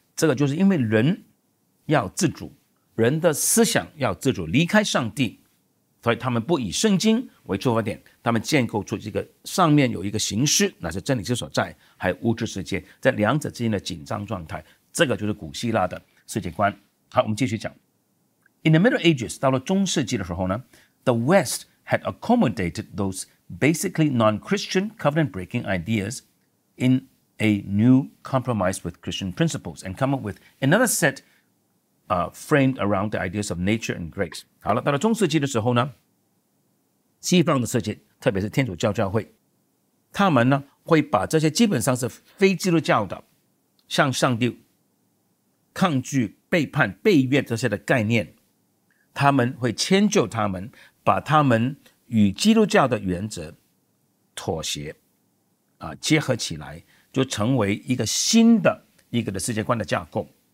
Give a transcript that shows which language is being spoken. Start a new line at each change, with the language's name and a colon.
Chinese: 这个就是因为人要自主，人的思想要自主离开上帝，所以他们不以圣经为出发点，他们建构出这个上面有一个形式，那是真理之所在，还有物质世界，在两者之间的紧张状态，这个就是古希腊的世界观。好，我们继续讲。
English: In the Middle Ages,
Chinese: 到了中世纪的时候呢，
English: The West had accommodated those basically non-Christian covenant-breaking ideas in a new compromise with Christian principles and come up with another set framed around the ideas of nature and grace.
Chinese: 好了，到了中世纪的时候呢，西方的世界，特别是天主教教会，他们呢会把这些基本上是非基督教的向上帝抗拒背叛背越这些的概念，他们会迁就他们，把他们与基督教的原则妥协结合起来，就成为一个新的一个的世界观的架构。